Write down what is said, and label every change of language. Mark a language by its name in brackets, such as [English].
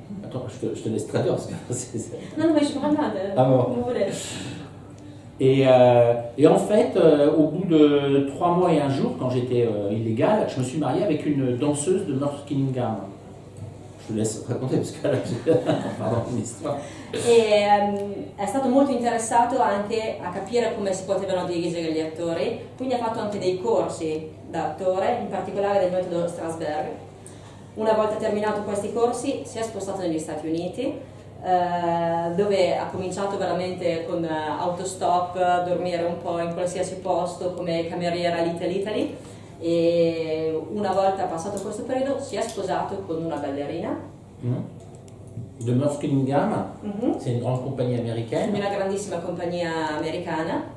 [French] Attends, je te laisse traduire parce que non, mais je suis vraiment là. Ah bon. Et en fait, au bout de 3 mois et un jour, quand j'étais illégal, je me suis marié avec une danseuse de North Killingham. Je te laisse raconter parce que là, pardon, une histoire. [Italian] È stato molto interessato anche a capire come si potevano dirigere gli attori, quindi ha fatto anche dei corsi da attore, in particolare del metodo Strasberg. Una volta terminato questi corsi si è spostato negli Stati Uniti, dove ha cominciato veramente con autostop, dormire un po' in qualsiasi posto come cameriera Little Italy, e una volta passato questo periodo si è sposato con una ballerina. [French] De North Killingham, c'est une grande compagnie américaine. Une grandissima compagnie américaine.